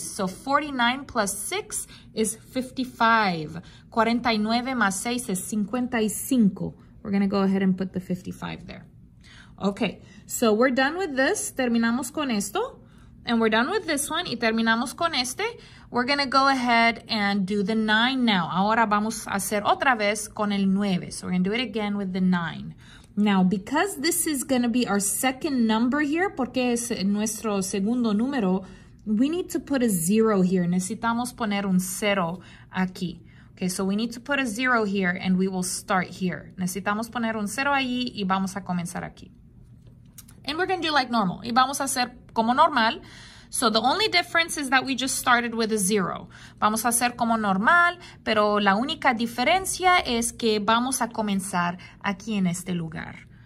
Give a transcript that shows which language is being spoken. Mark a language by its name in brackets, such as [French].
[English] So 49 plus 6 is 55. [Spanish] 49 más 6 [English] is 55. We're going to go ahead and put the 55 there. Okay, so we're done with this. [Spanish] Terminamos con esto. [English] And we're done with this one. [Spanish] Y terminamos con este. [English] We're going to go ahead and do the 9 now. [Spanish] Ahora vamos a hacer otra vez con el 9. [English] So we're going to do it again with the 9. Now, because this is going to be our second number here, [Spanish] porque es nuestro segundo número, [English] we need to put a 0 here. [Spanish] Necesitamos poner un 0 aquí. [English] Okay, so we need to put a 0 here and we will start here. [Spanish] Necesitamos poner un 0 ahí y vamos a comenzar aquí. [English] And we're going to do like normal. [Spanish] Y vamos a hacer como normal. [English] So the only difference is that we just started with a 0. [Spanish] Vamos a hacer como normal, pero la única diferencia es que vamos a comenzar aquí en este lugar.